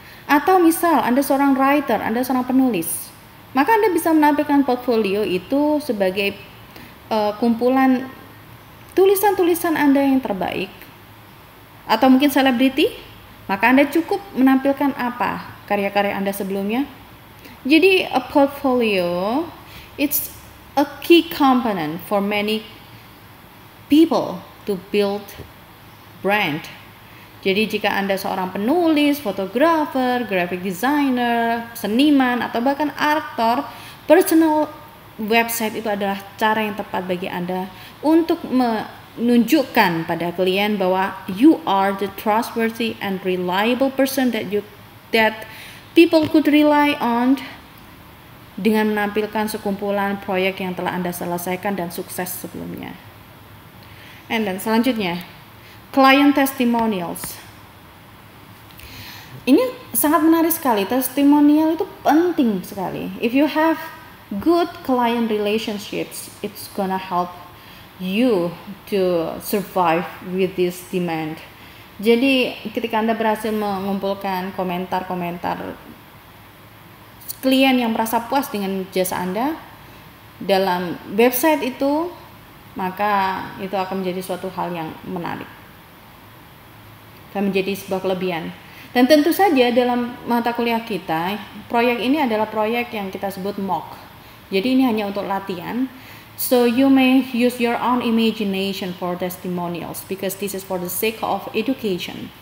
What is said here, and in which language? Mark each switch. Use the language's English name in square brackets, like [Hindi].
[Indonesian] Atau misal Anda seorang writer, Anda seorang penulis, maka Anda bisa menampilkan portfolio itu sebagai kumpulan tulisan-tulisan Anda yang terbaik. Atau mungkin selebriti, maka Anda cukup menampilkan apa karya-karya Anda sebelumnya. [English] Jadi a portfolio, it's a key component for many people to build brand. [Indonesian] Jadi jika Anda seorang penulis, fotografer, graphic designer, seniman, atau bahkan aktor, personal website itu adalah cara yang tepat bagi Anda untuk menunjukkan pada klien bahwa [English] you are the trustworthy and reliable person that people could rely on, [Indonesian] dengan menampilkan sekumpulan proyek yang telah Anda selesaikan dan sukses sebelumnya. [English] And then selanjutnya, client testimonials. [Indonesian] Ini sangat menarik sekali. Testimonial itu penting sekali. [English] If you have good client relationships, it's gonna help you to survive with this demand. [Indonesian] Jadi ketika Anda berhasil mengumpulkan komentar-komentar klien yang merasa puas dengan jasa Anda dalam website itu, maka itu akan menjadi suatu hal yang menarik dan menjadi sebuah kelebihan. Dan tentu saja dalam mata kuliah kita, proyek ini adalah proyek yang kita sebut mock. Jadi ini hanya untuk latihan. [English] So you may use your own imagination for testimonials because this is for the sake of education.